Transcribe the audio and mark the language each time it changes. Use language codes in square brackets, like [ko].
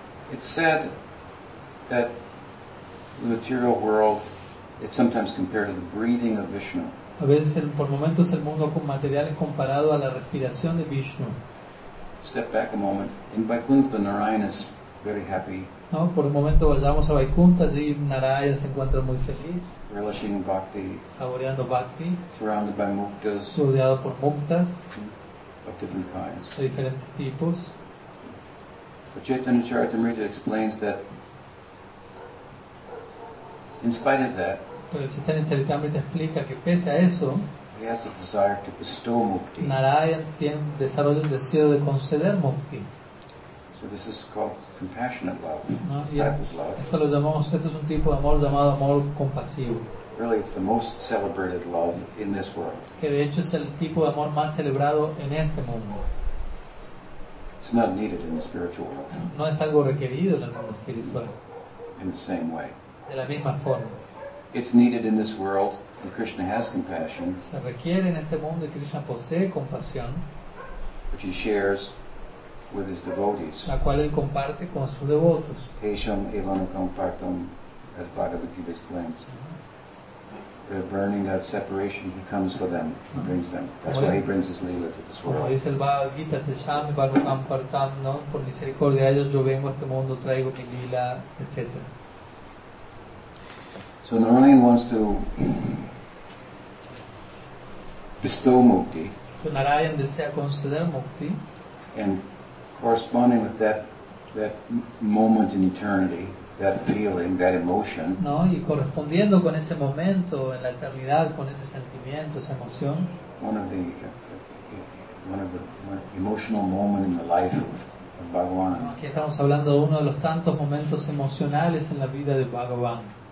[en] It's said that the material world is sometimes compared to the breathing of Vishnu. [es] A veces, por momentos, el mundo con material es comparado a la respiración de Vishnu. [en] Step back a moment. In Vaikuntha, Narayana is very happy. [es] No, por un momento vayamos a Vaikuntha, allí Narayana se encuentra muy feliz. [en] Relishing bhakti. [es] Saboreando bhakti. [en] Surrounded by muktas. [es] Rodeado por muktas. [en] Of different kinds. [es] De diferentes tipos. [en] But Chaitanya Charitamrita explains that in spite of that, [es] pero el Chaitanya Charitamrita explica que pese a eso, [en] he has a desire to bestow mukti. [es] Narayan tiene desarrollo el deseo de conceder mukti. [en] So this is called compassionate love, no? Type of love. [es] Esto lo llamamos, esto es un tipo de amor llamado amor compasivo. [en] Really, it's the most celebrated love in this world. [es] Que de hecho es el tipo de amor más celebrado en este mundo. [en] It's not needed in the spiritual world. [es] No es algo requerido en el mundo espiritual. [en] In the same way. [es] De la misma forma. [en] It's needed in this world, and Krishna has compassion. [es] Se requiere en este mundo y Krishna posee compasión. [en] Which he shares with his devotees. [es] La cual él comparte con sus devotos. [en] Tesham evam compartam, as Bhagavad Gita explains. The burning of separation he comes for them, he brings them. That's why he brings his lila to this world. [es] Como dice el Bhagavad Gita, Tesham evam compartam, no? Por misericordia de ellos yo vengo a este mundo, traigo mi lila, etc. [en] So Narayan wants to bestow mukti. [es] So Narayan desea conceder mukti. [en] And corresponding with that moment in eternity, that feeling, that emotion. [es] No, y correspondiendo con ese momento en la eternidad, con ese sentimiento, esa emoción. [en] One of the emotional moments in the life of Bhagavan. No, [es] aquí estamos hablando de uno de los tantos momentos emocionales en la vida de Bhagavan.